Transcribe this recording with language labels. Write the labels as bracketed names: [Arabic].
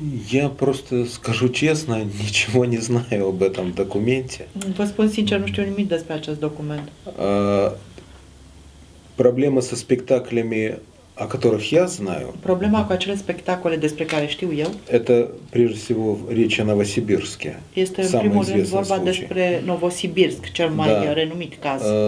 [Russian] Я просто скажу честно, ничего не знаю об этом документе. [Romanian] Vă spun sincer, nu știu nimic despre acest document. [Russian] Проблема со спектаклями, о которых я знаю. [Romanian] Проблема cu acele spectacole despre care știu eu. [Russian] Это прежде всего речь о Новосибирске. [Romanian] Este în primul rând vorba despre Novosibirsk, cel mai renumit caz.